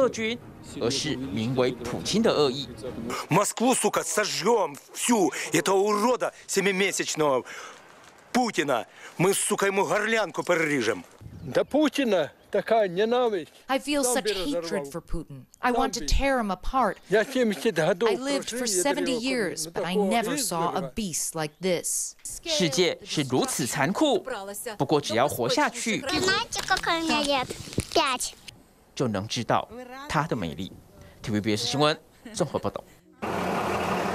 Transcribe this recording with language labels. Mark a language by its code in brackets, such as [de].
[ru] воевать。 [zh] 这场战乱让无数乌克兰人只能茫然面对未来，不过他们也明白，敌人不是俄军，而是名为普京的恶意。 [ru] Москву, сука, сожжем всю этого урода семимесячного Путина. Мы, сука, ему горлянку перережем. До Путина такая ненависть. [en] I feel such hatred for Putin. I want to tear him apart. I lived for 70 years, but I never saw a beast like this. [zh] 世界是如此残酷，不过只要活下去，就能知道它的魅力。TVBS 新闻综合报道。